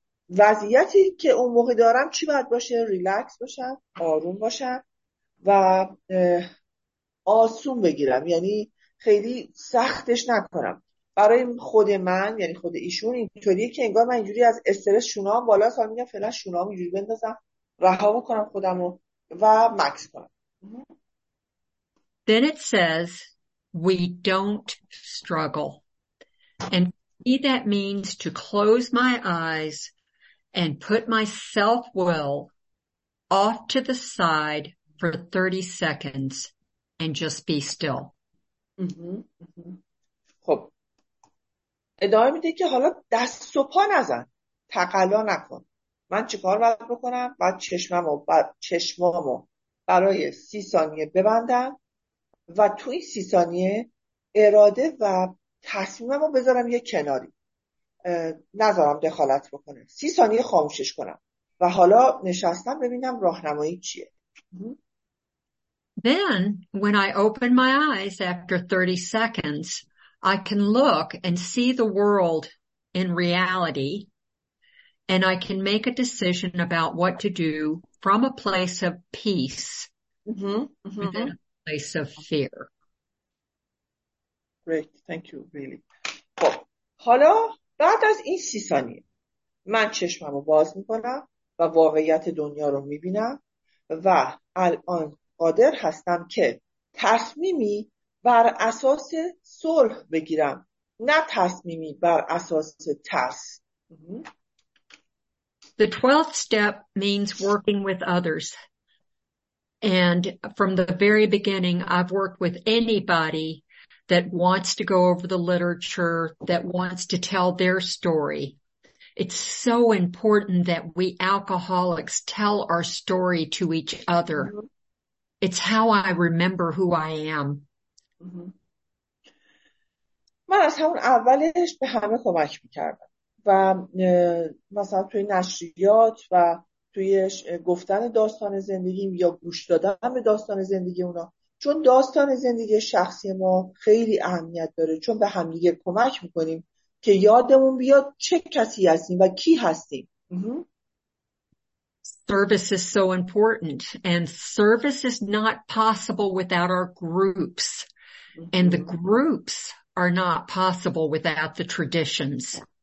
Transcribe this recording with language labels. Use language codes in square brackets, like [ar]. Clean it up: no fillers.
[fa] وضعیتی که اون موقع دارم چی باید باشه؟ ریلکس باشم، آروم باشم و آسون بگیرم، یعنی خیلی سختش نکنم. برای خود من، یعنی خود ایشون، اینطوریه که انگار من اینجوری از استرس شونام بالا سال میگم فعلا شونام اینجوری بندازم، رها بکنم خودم رو و مکس کنم. [en] Then it says we don't struggle. And that means to close my eyes and put my self-will off to the side for 30 seconds and just be still. [fa] خب ادامه میده که حالا دست و پا نزن، تقلا نکن. من چیکار باید بکنم؟ باید چشمامو برای 30 ثانیه ببندم و تو این 30 ثانیه اراده و تصمیمم رو بذارم یه کناری، نذارم دخالت بکنه، 30 ثانیه خاموشش کنم و حالا نشستم ببینم راهنمایی چیه. [en] Then, when I open my eyes after 30 seconds, I can look and see the world in reality, and I can make a decision about what to do from a place of peace, than a place of fear. Great, thank you, really. [fa] حالا بعد از این 30 ثانیه من چشمم رو باز میکنم و واقعیت دنیا رو میبینم و الان قادر هستم که تصمیمی بر اساس صلح بگیرم، نه تصمیمی بر اساس ترس. [en] The 12th step means working with others. And from the very beginning, I've worked with anybody that wants to go over the literature, that wants to tell their story. It's so important that we alcoholics tell our story to each other. It's how I remember who I am. [fa] من از همون اولش به همه کمک میکردم و مثلا توی نشریات و توی گفتن داستان زندگیم یا گوش دادن به داستان زندگی اونا، چون داستان زندگی شخصی ما خیلی اهمیت داره، چون به همدیگه کمک میکنیم که یادمون بیاد چه کسی هستیم و کی هستیم. [en] Service is so important, and service is not possible without our groups, and the groups are not possible without the traditions.